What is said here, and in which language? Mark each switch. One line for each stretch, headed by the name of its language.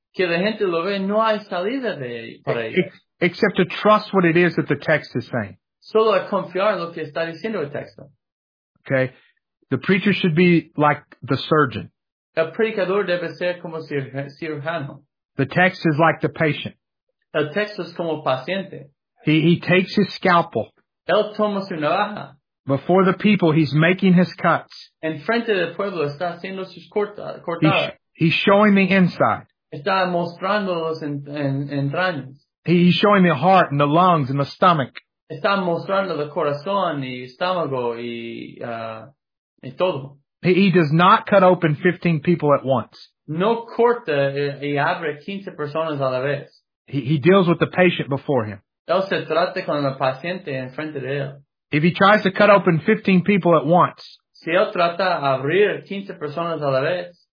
Spanish: Que la gente lo ve, no hay salida de para ellos.
English: Except to trust what it is that the text is saying.
Spanish: Solo a confiar en lo que está diciendo el texto.
English: Okay. The preacher should be like the surgeon.
Spanish: El predicador debe ser como cirujano.
English: The text is like the patient.
Spanish: El texto es como paciente.
English: He takes his scalpel.
Spanish: Él toma su navaja.
English: Before the people, he's making his cuts.
Spanish: En frente del pueblo, está haciendo sus cortadas.
English: He's showing the inside.
Spanish: Está mostrando los entrañas.
English: He's showing the heart and the lungs and the stomach.
Spanish: Está mostrando el corazón y estómago y todo.
English: He does not cut open 15 people at once.
Spanish: No corta y abre 15 personas a la vez.
English: He deals with the patient before him.
Spanish: Él se trata con el paciente en frente de él.
English: If he tries to cut open 15 people at once,
Spanish: si él trata abrir 15 personas a la vez,